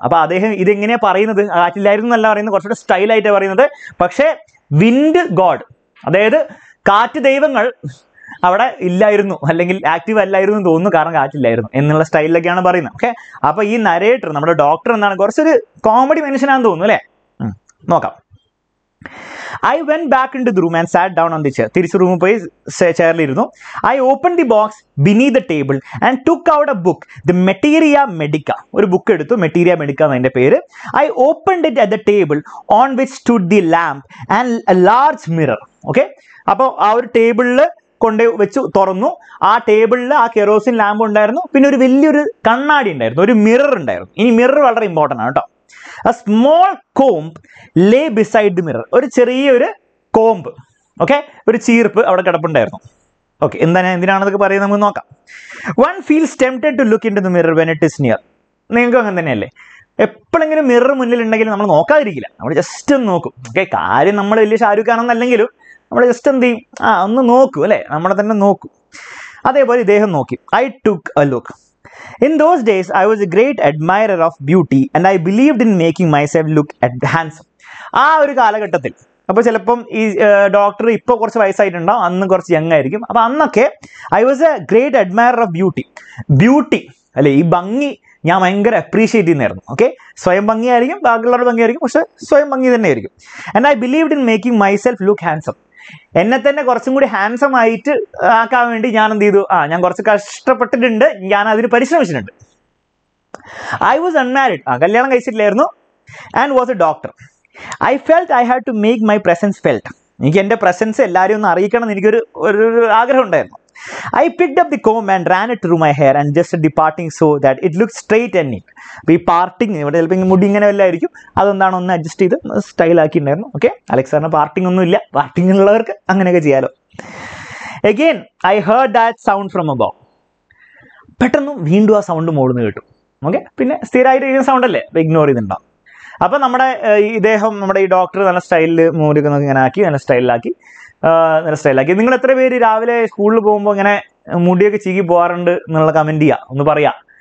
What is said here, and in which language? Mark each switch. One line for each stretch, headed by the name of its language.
Malayalam: അപ്പോൾ അദ്ദേഹം ഇതെങ്ങനെയാണ് പറയുന്നത്, കാറ്റില്ലായിരുന്നു എന്നല്ല പറയുന്നത്, കുറച്ചുകൂടെ സ്റ്റൈലായിട്ടാണ് പറയുന്നത്. പക്ഷേ വിൻഡ് ഗോഡ്, അതായത് കാറ്റ് ദൈവങ്ങൾ അവിടെ ഇല്ലായിരുന്നു, അല്ലെങ്കിൽ ആക്റ്റീവ് അല്ലായിരുന്നു എന്ന് തോന്നുന്നു, കാരണം കാറ്റില്ലായിരുന്നു എന്നുള്ള സ്റ്റൈലിലൊക്കെയാണ് പറയുന്നത്. ഓക്കെ, അപ്പോൾ ഈ നരേറ്റർ, നമ്മുടെ ഡോക്ടർ എന്നാണ്, കുറച്ചൊരു കോമഡി മനുഷ്യനാണെന്ന് തോന്നുന്നു അല്ലേ. നോക്കാം.
English: I went back into the room and sat down on the chair.
Malayalam: തിരിച്ച് റൂമിൽ പോയി ചെയറിലിരുന്നു.
English: I open the box beneath the table and took out a book, the materia medica.
Malayalam: ഒരു ബുക്ക് എടുത്തു, മെറ്റീരിയ മെഡിക്ക എന്നതിൻ്റെ പേര്.
English: I open it at the table on which stood the lamp and a large mirror.
Malayalam: Okay, അപ്പോൾ ആ ഒരു ടേബിളിൽ കൊണ്ട് വെച്ചു തുറന്നു. ആ ടേബിളിൽ ആ കെറോസിൻ ലാമ്പ് ഉണ്ടായിരുന്നു, പിന്നെ ഒരു വലിയൊരു കണ്ണാടി ഉണ്ടായിരുന്നു, ഒരു മിറർ ഉണ്ടായിരുന്നു. ഇനി മിറർ വളരെ ഇമ്പോർട്ടൻ്റ് ആണ് കേട്ടോ.
English: A small comb lay beside the mirror.
Malayalam: ഒരു ചെറിയൊരു കോമ്പ്, ഓക്കെ, ഒരു ചീർപ്പ് അവിടെ കിടപ്പുണ്ടായിരുന്നു. ഓക്കെ, എന്താണ് എന്തിനാണെന്നൊക്കെ പറയുന്നത് നമുക്ക് നോക്കാം.
English: One feels tempted to look into the mirror when it is near.
Malayalam: നിങ്ങൾക്കും അങ്ങനെ തന്നെയല്ലേ, എപ്പോഴെങ്കിലും മിറർ മുന്നിൽ ഉണ്ടെങ്കിൽ നമ്മൾ നോക്കാതിരിക്കില്ല, നമ്മൾ ജസ്റ്റ് ഒന്ന് നോക്കും. ഓക്കെ, കാര്യം നമ്മൾ വലിയ ഷാരൂഖ് ആണെന്നല്ലെങ്കിലും നമ്മൾ ജസ്റ്റ് എന്ത് ചെയ്യും, ആ ഒന്ന് നോക്കൂ അല്ലേ, നമ്മളെ തന്നെ നോക്കൂ. അതേപോലെ ഇദ്ദേഹം നോക്കി.
English: I took a look. In those days, I was a great admirer of beauty and I believed in making myself look handsome.
Malayalam: ആ ഒരു കാലഘട്ടത്തിൽ, അപ്പോൾ ചിലപ്പം ഈ ഡോക്ടർ ഇപ്പോൾ കുറച്ച് വയസ്സായിട്ടുണ്ടാവും, അന്ന് കുറച്ച് യങ് ആയിരിക്കും. അപ്പോൾ അന്നൊക്കെ
English: I was a great admirer of beauty.
Malayalam: Beauty അല്ലേ, ഈ ഭംഗി ഞാൻ ഭയങ്കര അപ്രീഷിയേറ്റ് ചെയ്യുന്നതായിരുന്നു. ഓക്കെ, സ്വയം ഭംഗിയായിരിക്കും, ബാക്കിയുള്ളവരുടെ ഭംഗിയായിരിക്കും, പക്ഷേ സ്വയം ഭംഗി തന്നെയായിരിക്കും.
English: And I believed in making myself look handsome.
Malayalam: എന്നെ തന്നെ കുറച്ചും കൂടി ഹാൻസം ആയിട്ട് ആക്കാൻ വേണ്ടി ഞാൻ എന്ത് ചെയ്തു, ആ ഞാൻ കുറച്ച് കഷ്ടപ്പെട്ടിട്ടുണ്ട്, ഞാൻ അതിന് പരിശ്രമിച്ചിട്ടുണ്ട്.
English: I was unmarried.
Malayalam: കല്യാണം കഴിച്ചിട്ടില്ലായിരുന്നു.
English: And was a doctor. I felt I had to make my presence felt.
Malayalam: എനിക്ക് എൻ്റെ പ്രസൻസ് എല്ലാവരെയും ഒന്ന് അറിയിക്കണം എന്ന് എനിക്കൊരു ഒരു ആഗ്രഹം ഉണ്ടായിരുന്നു.
English: I picked up the comb and ran it through my hair and just departing so that it looked straight and neat.
Malayalam: അപ്പം ഈ പാർട്ടിങ് ഇവിടെ ചിലപ്പോൾ ഇങ്ങനെ മുടി ഇങ്ങനെ വല്ലതായിരിക്കും, അതെന്താണ് ഒന്ന് അഡ്ജസ്റ്റ് ചെയ്ത് സ്റ്റൈൽ ആക്കിയിട്ടുണ്ടായിരുന്നു. ഓക്കെ, അലക്സാറിന് പാർട്ടിങ് ഒന്നുമില്ല, പാർട്ടിങ് ഉള്ളവർക്ക് അങ്ങനെയൊക്കെ ചെയ്യാലോ.
English: Again I heard that sound from above.
Malayalam: പെട്ടെന്ന് വീണ്ടും ആ സൗണ്ട് മോളിന്ന് കേട്ടു. ഓക്കെ, പിന്നെ സ്ഥിരമായിട്ട് ഇരിക്കുന്ന സൗണ്ട് അല്ലേ, അപ്പം ഇഗ്നോർ ചെയ്തിട്ടുണ്ടാവും. അപ്പം നമ്മുടെ ഇദ്ദേഹം നമ്മുടെ ഈ ഡോക്ടർ നല്ല സ്റ്റൈലിൽ മൂലിക്കുന്നൊക്കെ ഇങ്ങനെ ആക്കി, നല്ല സ്റ്റൈലാക്കി നിങ്ങൾ എത്ര പേര് രാവിലെ സ്കൂളിൽ പോകുമ്പോൾ ഇങ്ങനെ മുടിയൊക്കെ ചീകി പോകാറുണ്ട് എന്നുള്ള കമൻറ്റ് ചെയ്യുക, ഒന്ന് പറയുക.